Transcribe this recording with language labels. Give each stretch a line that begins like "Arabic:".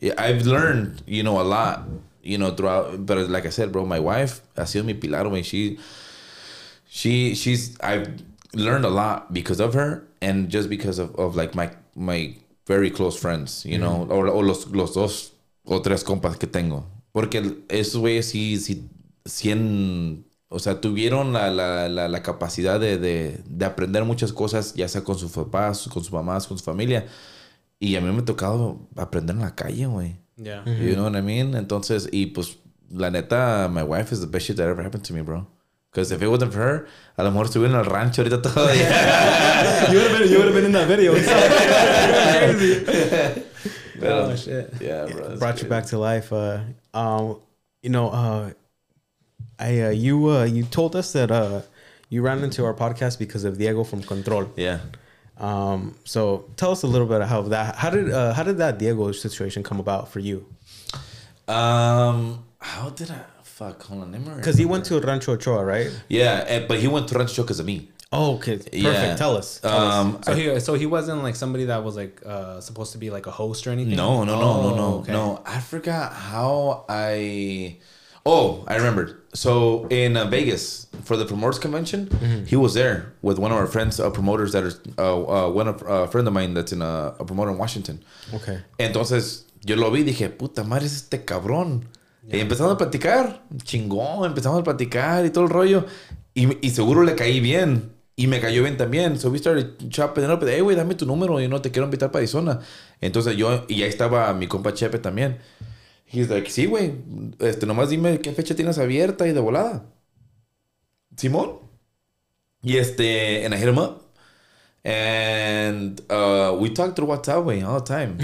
English: I've learned, you know, a lot, you know, throughout. But like I said, bro, my wife
Spanish: ha sido mi pilar, güey.
English: She's I've learned a lot because of her, and just because of like my very close friends, you know,
Spanish: o los dos o tres compas que tengo. Porque esos güeyes sí, o sea, tuvieron la capacidad de aprender muchas cosas, ya sea con sus papás, con sus mamás, con su familia. Y a mí me ha tocado aprender en la calle, güey.
English: Yeah. You know what I mean?
Spanish: Entonces, y pues, la neta,
English: my wife is the best shit that ever happened to me, bro. Because if it wasn't for her,
Spanish: a lo mejor estuviera en el rancho ahorita todavía.
English: You would have been in that video. Oh, shit. Yeah, bro. Brought you back to life. You know, you told us that you ran into our podcast because of Diego from Control. Yeah. So tell us a little bit how did that Diego situation come about for you? How did I fuck hold on? Because he went to Rancho Ochoa, right? Yeah, but he went to Rancho because of me. Oh, okay. Perfect. Yeah. Tell us. So he wasn't like somebody that was like supposed to be like a host or anything. No. I forgot how I. Oh, I remembered. So in Vegas for the promoters convention, he was there with one of our friends, promoters that are friend of mine that's in a promoter in Washington. Okay.
Spanish: Entonces yo lo vi, dije, puta madre, es este cabrón. Yeah. Y empezamos a platicar, chingón, empezamos a platicar y todo el rollo. Y seguro le caí bien y me cayó bien también.
English: So we started chopping it up.
Spanish: Hey, güey, dame tu número,
English: you know,
Spanish: te quiero invitar para Arizona. Entonces yo, y ahí estaba mi compa Chepe también.
English: He's like,
Spanish: sí, güey. Nomás dime qué fecha tienes abierta y de volada.
English: Simón. Y and I hit him up. And we talked through WhatsApp, güey, all the time.